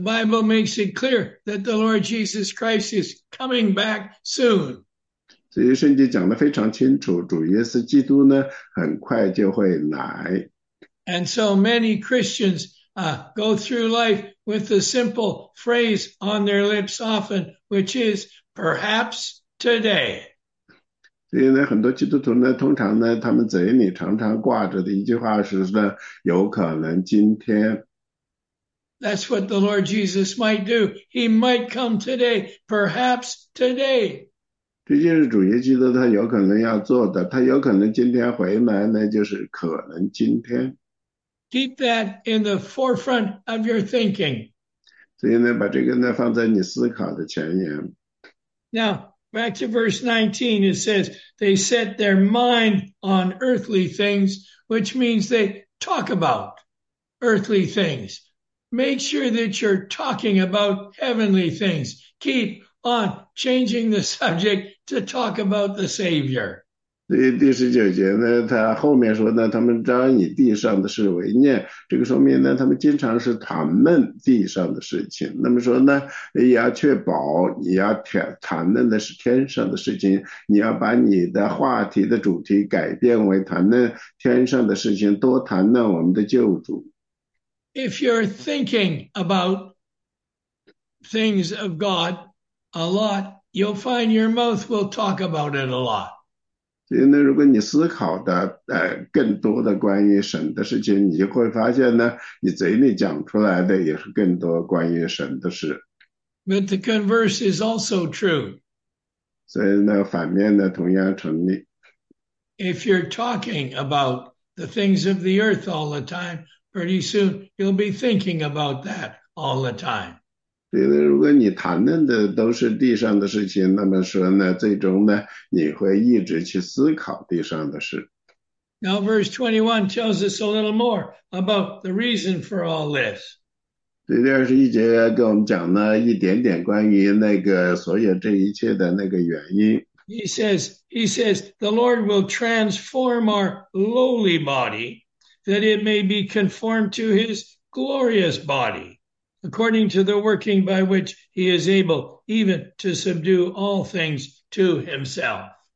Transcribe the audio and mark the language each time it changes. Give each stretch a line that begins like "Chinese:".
English: Bible makes it clear that the Lord Jesus Christ is coming back soon.
Chinese: 所以圣经讲得非常清楚，主耶稣基督呢，很快就会来。
English: And so many Christians go through life with the simple phrase on their lips often, which is perhaps today.
Chinese: 所以呢，很多基督徒呢，通常呢，他们嘴里常常挂着的一句话是呢，有可能今天。
English: That's what the Lord Jesus might do. He might come today, perhaps today.
Chinese: 这就是主耶稣基督他有可能要做的，他有可能今天回来呢，就是可能今天。
English: Keep that in the forefront of your thinking.
Chinese: 所以呢，把这个呢放在你思考的前沿。
English: Now, back to verse 19, it says, they set their mind on earthly things, which means they talk about earthly things. Make sure that you're talking about heavenly things. Keep on changing the subject to talk about the Savior.
Chinese: 第19节呢，他后面说呢，他们常以地上的事为念，这个说明呢，他们经常是谈论地上的事情。那么说呢，也要确保你要谈论的是天上的事情，你要把你的话题的主题改变为谈论天上的事情，多谈论我们的救主。
English: If you're thinking about things of God a lot, you'll find your mouth will talk about it a lot.
Chinese: 所以呢，如果你思考的更多的关于神的事情，你就会发现呢，你嘴里讲出来的也是更多关于神的事。
English: But the converse is also true.
Chinese: 所以呢，反面呢同样成立。
English: If you're talking about the things of the earth all the time, pretty soon you'll be thinking about that all the time.
Chinese: 对的，如果你谈论的都是地上的事情，那么说呢，最终呢，你会一直去思考地上的事。
English: Now, verse 21 tells us a little more about the reason for all this.
Chinese: 对，第21节跟我们讲了一点点关于那个所有这一切的那个原因。
English: He says, the Lord will transform our lowly body, that it may be conformed to his glorious body, according to the working by which he is able even to subdue all things to himself.